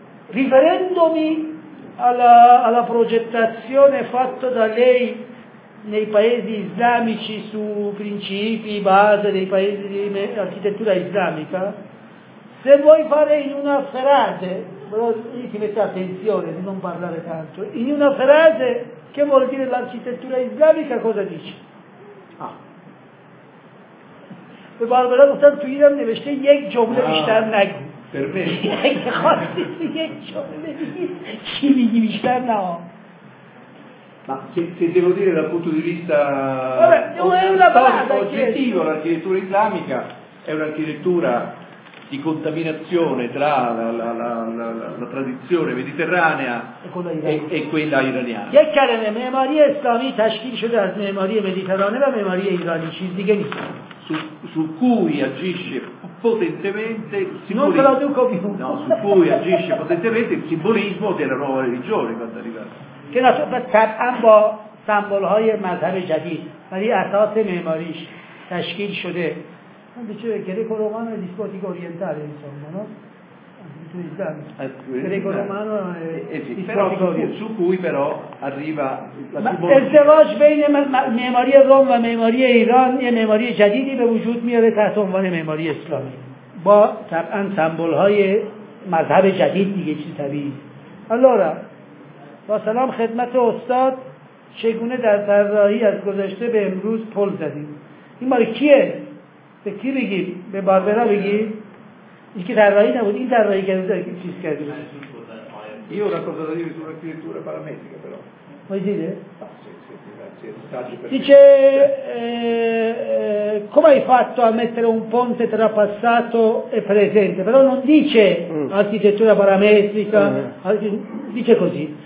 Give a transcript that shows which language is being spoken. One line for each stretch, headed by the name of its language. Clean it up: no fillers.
Italian: Riferendomi alla progettazione fatta da lei nei paesi islamici su principi, base dei paesi di architettura islamica, se vuoi fare in una frase, però io ti metto attenzione di non parlare tanto, in una frase che vuol dire l'architettura islamica, cosa dici?
Persian: به بارگاه گفتم توی ایران نوشته یک جمله بیشتر نگو. اگه خواستی یک جمله بگی چی میگی بیشتر نه.
Italian: Ma se devo dire dal punto di vista oggettivo, l'architettura islamica è un'architettura di contaminazione tra la tradizione mediterranea e quella iraniana.
Persian: یک کلمه معماری اسلامی تشکیل شده از معماری مدیترانه و معماری ایرانی، چیز دیگه نیست.
Italian: Su cui agisce potentemente il simbolismo della nuova religione quando arriva. Che la sua
Persian: طبعاً با سمبل‌های مذهب جدید ولی اساس معماریش تشکیل شده.
Italian: Quindi c'è greco-romano e dispotico orientale, insomma, no? Greco-romano e dispotico orientale. Su cui però arriva
Persian: il ازدواج بین معماری روم و معماری ایران یه معماری جدیدی به وجود میاره تحت عنوان معماری اسلامی با طبعا سمبل‌های مذهب جدید دیگه چی طبیعی.
Italian: Allora,
Persian: با سلام خدمت استاد، چگونه در طراحی از گذشته به امروز پل زدیم؟ این مال کیه؟ به کی بگیم؟ به باربرا بگیم؟ این که طراحی نبود، این طراحی کرده که چیز کرده بود؟
Italian: Io una cosa da dire sull'architettura parametrica però. Vuoi dire? Sì, dice come hai fatto a mettere un ponte tra passato e presente, però non dice architettura parametrica, dice così.